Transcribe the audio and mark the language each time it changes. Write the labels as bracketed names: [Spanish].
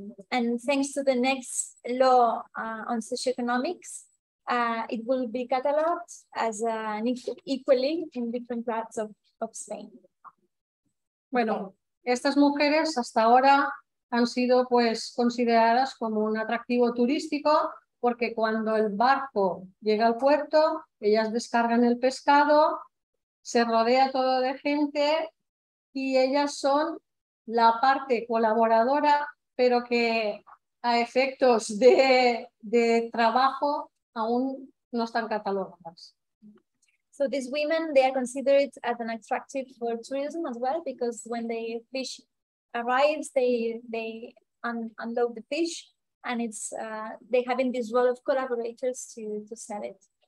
[English] And thanks to the next law on socioeconomics, it will be cataloged as an equally in different parts of Spain. [Spanish] Bueno, estas mujeres hasta ahora han sido pues consideradas como un atractivo turístico porque cuando el barco llega al puerto, ellas descargan el pescado, se rodea todo de gente y ellas son la parte colaboradora, pero que a efectos de trabajo aún no están catalogadas. [English] So these women, they are considered as an attractive for tourism as well, because when the fish arrives, they unload the fish, and it's they having this role of collaborators to sell it.